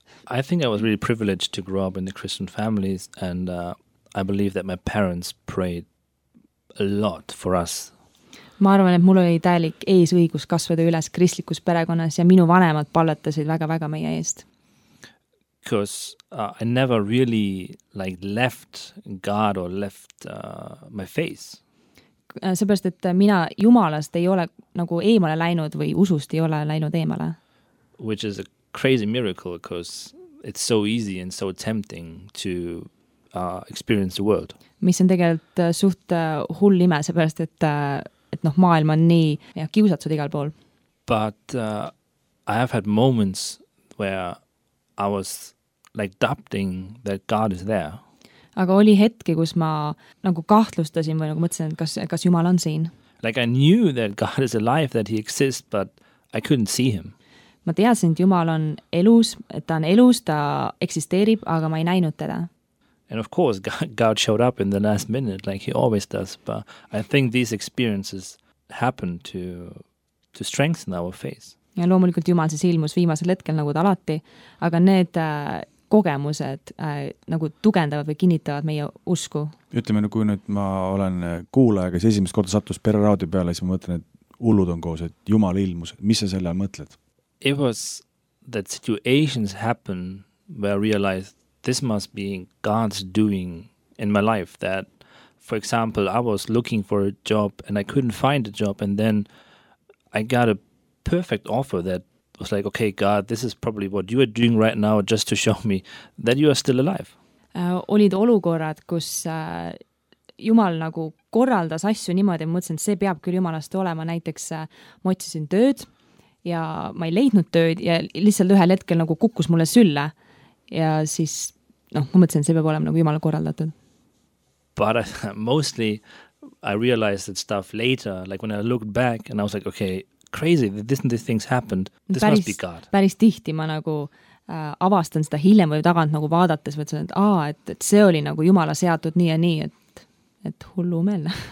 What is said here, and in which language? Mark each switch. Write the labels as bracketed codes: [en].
[en] I think I was really privileged to grow up in the Christian families and I believe that my parents prayed a lot for us. [et] Ma arvan, et mul oli täielik eesõigus kasvada üles kristlikus perekonnas ja minu vanemad palletasid väga-väga meie eest. [en] Because I never really like left God or left my faith. [et] Sõpärast, et mina Jumalast ei ole nagu eemale läinud või usust ei ole läinud eemale. [en] Which is a crazy miracle because it's so easy and so tempting to experience the world. [et] Mis on tegelikult suht hull ime, sellepärast, et noh, maailm on nii ja kiusatud igal pool. [en] But I have had moments where I was like doubting that God is there. [et] Aga oli hetki, kus ma nagu kahtlustasin või nagu mõtlesin, kas Jumal on siin. [en] Like I knew that God is alive, that he exists, but I couldn't see him. [et] Ma teadsin, et Jumal on elus, et ta on elus, ta eksisteerib, aga ma ei näinud teda. [en] And of course, God showed up in the last minute, like he always does, but I think these experiences happen to strengthen our faith. [et] Ja loomulikult Jumal siis ilmus viimasel hetkel nagu ta alati, aga need kogemused nagu tugendavad või kinnitavad meie usku. Ütleme, kui nüüd ma olen kuulaja, kes esimest korda sattus pereraadio peale, siis ma mõtlen, et hullud on koos, et Jumal ilmus. Mis sa selle mõtled? [en] It was that situations happen where I realized this must be God's doing in my life. That, for example, I was looking for a job and I couldn't find a job and then I got a perfect offer that was like, okay, God, this is probably what you are doing right now just to show me that you are still alive. [et] Olid olukorrad, kus Jumal nagu korraldas asju niimoodi ja mõtlesin, et see peab küll Jumalast olema. Näiteks ma otsisin tööd ja ma ei leidnud tööd ja lihtsalt ühel hetkel nagu kukkus mulle sülle ja siis, noh, ma mõtlesin, et see peab olema nagu Jumal korraldatud. [en] But mostly I realized that stuff later, like when I looked back and I was like, okay, crazy, this and these things happened, this päris, must be God. [et] Päris tihti ma nagu avastan seda hiljem või tagant nagu vaadates, mõtlesin, et aah, et see oli nagu Jumala seatud nii ja nii, et hullu meel.